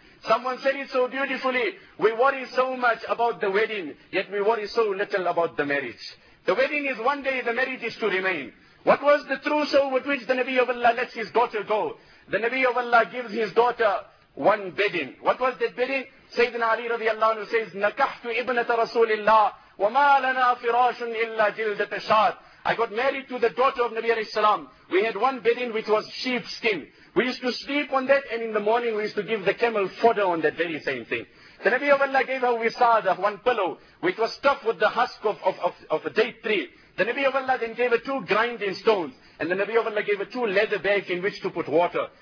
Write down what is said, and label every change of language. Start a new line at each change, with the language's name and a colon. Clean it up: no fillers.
English: Someone said it so beautifully, we worry so much about the wedding, yet we worry so little about the marriage. The wedding is one day, the marriage is to remain. What was the trousseau with which the Nabi of Allah lets his daughter go? The Nabi of Allah gives his daughter one bedding. What was that bedding? Sayyidina Ali radiallahu anhu says,
Arabic: نَكَحْتُ إِبْنَةَ رَسُولِ اللَّهِ وَمَا لَنَا فِرَاشٌ إِلَّا جِلْدَةَ شَاد.
English: I got married to the daughter of Nabi alayhi salam. We had one bedding which was sheepskin. We used to sleep on that and in the morning we used to give the camel fodder on that very same thing. The Nabi of Allah gave her wisada, one pillow, which was stuffed with the husk of a date tree. The Nabi of Allah then gave her two grinding stones. And the Nabi of Allah gave her two leather bags in which to put water.